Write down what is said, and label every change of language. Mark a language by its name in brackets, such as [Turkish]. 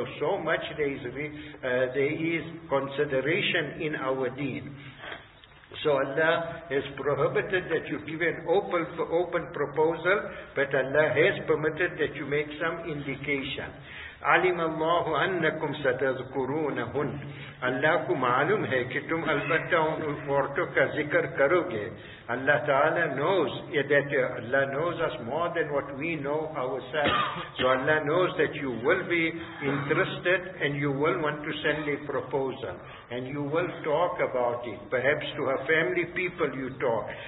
[English] So much there is consideration in our deen. So Allah has prohibited that you give an open proposal, but Allah has permitted that you make some indication. [Arabic] علم الله انكم ستذكرونهن. [Urdu] اللہ کو معلوم ہے کہ تم البتہ ان عورتوں کا ذکر کرو گے. [English] اللہ تعالیٰ knows, Allah knows us more than what we know ourselves. So Allah knows that you will be interested and you will want to send a proposal. And you will talk about it. Perhaps to her family people you talk.